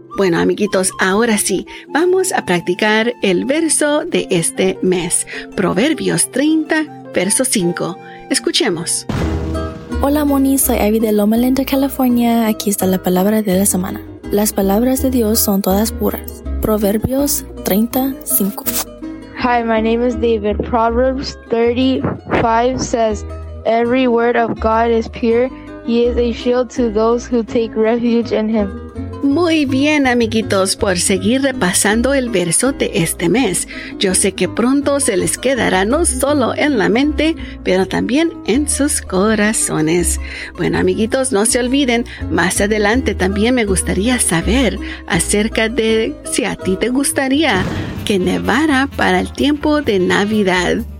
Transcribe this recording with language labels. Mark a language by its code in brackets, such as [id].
[es] Bueno, amiguitos, ahora sí, vamos a practicar el verso de este mes. Proverbios 30, verso 5. Escuchemos. Hola, Moni. Soy Abby de Loma Linda, California. Aquí está la palabra de la semana. Las palabras de Dios son todas puras. Proverbios 35. [en] Hi, my name is David. Proverbs 35 says, every word of God is pure. He is a shield to those who take refuge in him. [es] Muy bien, amiguitos, por seguir repasando el verso de este mes. Yo sé que pronto se les quedará no solo en la mente, pero también en sus corazones. Bueno, amiguitos, no se olviden, más adelante también me gustaría saber acerca de si a ti te gustaría que nevara para el tiempo de Navidad.